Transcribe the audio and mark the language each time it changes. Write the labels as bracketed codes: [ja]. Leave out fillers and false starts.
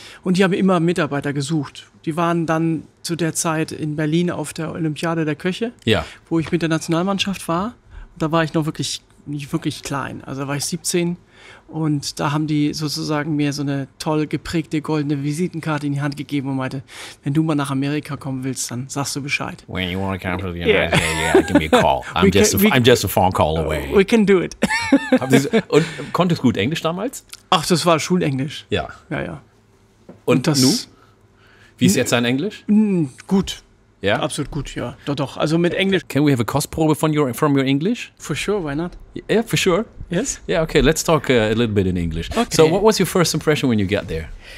[de] Und die haben immer Mitarbeiter gesucht. Die waren dann zu der Zeit in Berlin auf der Olympiade der Köche, ja. Wo ich mit der Nationalmannschaft war. Da war ich noch wirklich, nicht wirklich klein, also da war ich 17. Und da haben die sozusagen mir so eine toll geprägte goldene Visitenkarte in die Hand gegeben und meinte, wenn du mal nach Amerika kommen willst, dann sagst du Bescheid. [en] When you want to come to the United States, yeah, give me a call. I'm just a phone call away. We can do it. [de] Und konntest du gut Englisch damals? Ach, das war Schulenglisch. Ja. Ja, ja. Und das, nu? Wie ist jetzt dein Englisch? Gut. Ja? Absolut gut, ja. Doch. Also mit Englisch. [en] Can we have a kostprobe from your English? For sure, why not? Yeah, for sure. Yes? Yeah, okay, let's talk a little bit in English. Okay. So what was your first impression when you got there?